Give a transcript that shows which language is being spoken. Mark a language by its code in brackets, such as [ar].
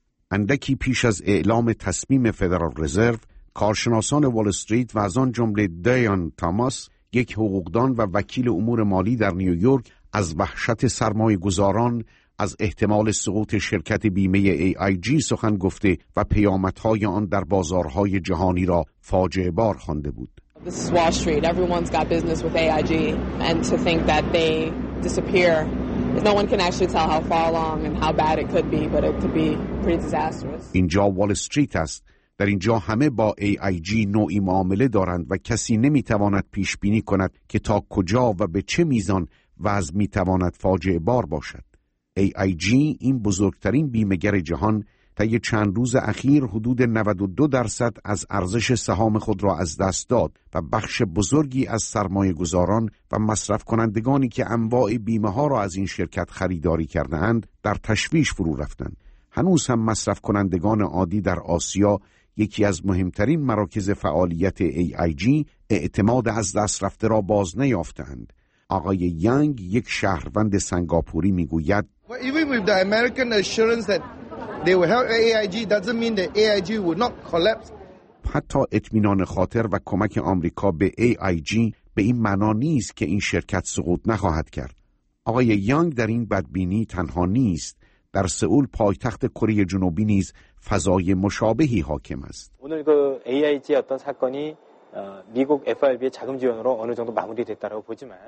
[fa] اندکی پیش از اعلام تصمیم فدرال رزرو، کارشناسان وال استریت و از آن جمله دیان تاماس، یک حقوقدان و وکیل امور مالی در نیویورک، از وحشت سرمایه‌گذاران از احتمال سقوط شرکت بیمه AIG سخن گفته و پیامدهای آن در بازارهای جهانی را فاجعه بار خوانده بود. [en] This is Wall Street. Everyone's got business with AIG and to think that they disappear. No one can actually tell how far along and how bad it could be, but it could be pretty disastrous. [fa] اینجا وال استریت است. در اینجا همه با AIG نوعی معامله دارند و کسی نمیتواند پیش بینی کند که تا کجا و به چه میزان وضع میتواند فاجعه بار باشد. AIG، این بزرگترین بیمه‌گر جهان، طی چند روز اخیر حدود 92% از ارزش سهام خود را از دست داد و بخش بزرگی از سرمایه‌گذاران و مصرف کنندگانی که انواع بیمه‌ها را از این شرکت خریداری کرده‌اند در تشویش فرو رفتند. هنوز هم مصرف کنندگان عادی در آسیا، یکی از مهمترین مراکز فعالیت AIG، اعتماد از دست رفته را باز نیافتند. آقای یانگ، یک شهروند سنگاپوری، میگوید: [en] Even with the American assurance that they will help AIG, doesn't mean that AIG will not collapse. [fa] حتی اطمینان خاطر و کمک آمریکا به AIG به این معنا نیست که این شرکت سقوط نخواهد کرد. آقای یانگ در این بدبینی تنها نیست. در سئول، پایتخت کره جنوبی، نیز فضای مشابهی حاکم است. [ko] اونل گو AIG 어떤 사건이 미국 FRB의 자금 지원으로 어느 정도 마무리됐다라고 보지만